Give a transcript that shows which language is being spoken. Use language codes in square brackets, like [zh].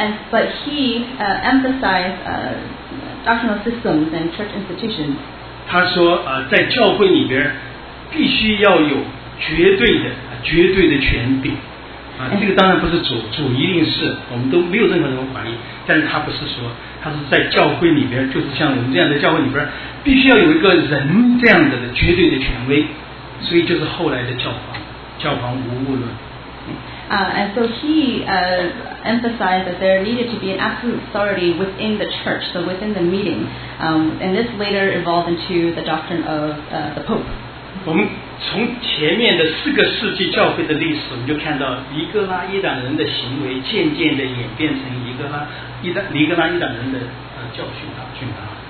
[en] But he emphasized doctrinal systems and church institutions. [zh] 他说在教会里边必须要有绝对的权柄。这个当然不是主一定是，我们都没有任何人怀疑，但是他不是说，他是在教会里边，就是像我们这样的教会里边必须要有一个人这样的绝对的权威，所以就是后来的教皇无误论。 [en] And so he emphasized that there needed to be an absolute authority within the church, so within the meeting. And this later evolved into the doctrine of the Pope. [zh] 我们从前面的四个世纪教会的历史，我们就看到尼格拉伊党人的行为渐渐地演变成尼格拉伊党人的教训啊，训导。